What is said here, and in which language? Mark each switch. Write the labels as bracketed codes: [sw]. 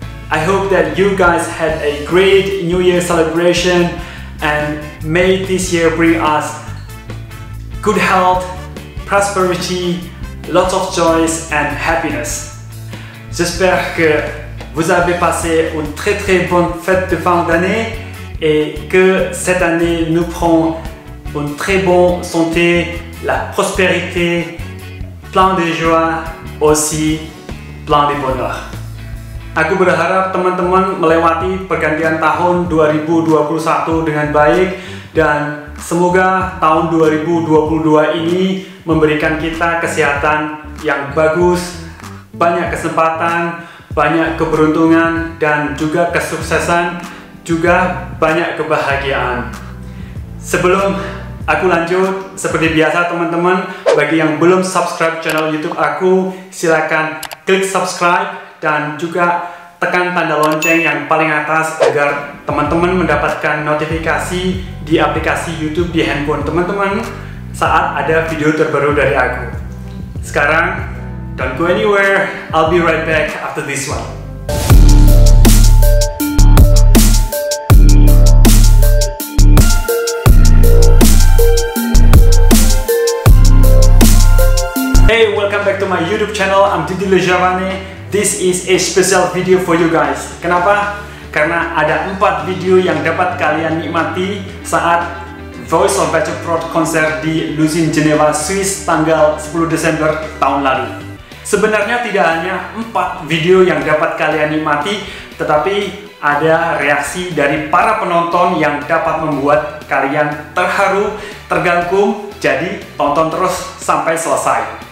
[en] I hope that you guys had a great New Year celebration and may this year bring us good health, prosperity, lots of joys and happiness. [fr] J'espère que vous avez passé une très très bonne fête de fin d'année et que cette année nous prend une très bonne santé, la prospérité, plein de joie, aussi plein de bonheur. [id] Aku berharap teman-teman melewati pergantian tahun 2021 dengan baik dan semoga tahun 2022 ini memberikan kita kesehatan yang bagus, banyak kesempatan, banyak keberuntungan dan juga kesuksesan, juga banyak kebahagiaan. Sebelum aku lanjut, seperti biasa teman-teman, bagi yang belum subscribe channel YouTube aku, silakan klik subscribe dan juga tekan tanda lonceng yang paling atas agar teman-teman mendapatkan notifikasi di aplikasi YouTube di handphone teman-teman saat ada video terbaru dari aku. [en] Sekarang, don't go anywhere, I'll be right back after this one. Hey, welcome back to my YouTube channel, I'm Didi Le Javanais. This is a special video for you guys. [id] Kenapa? Karena ada 4 video yang dapat kalian nikmati saat Voice of Baceprot konser di Lusin, Jenewa, Swiss tanggal 10 Desember tahun lalu. Sebenarnya tidak hanya 4 video yang dapat kalian nikmati, tetapi ada reaksi dari para penonton yang dapat membuat kalian terharu, tergantung, jadi tonton terus sampai selesai.